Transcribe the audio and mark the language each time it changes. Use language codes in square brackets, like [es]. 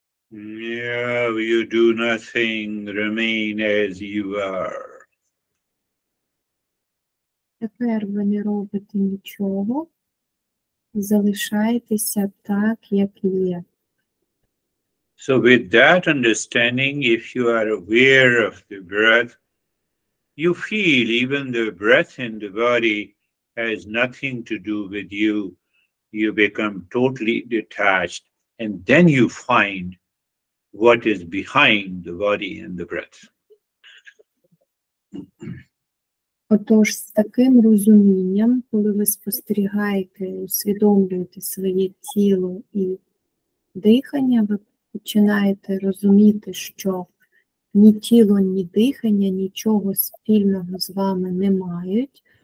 [en] Yeah, you do nothing, remain as you are. [uk] Тепер ви не робите нічого, залишайтеся так, як є. [en] So with that understanding, if you are aware of the breath, you feel even the breath in the body has nothing to do with you. You become totally detached, and then you find what is behind the body and the breath. [uk] Отож, з таким розумінням, коли ви спостерігаєте, усвідомлюєте своє тіло і дихання, ви починаєте розуміти, що ні тіло, ні дихання нічого спільного з вами не мають.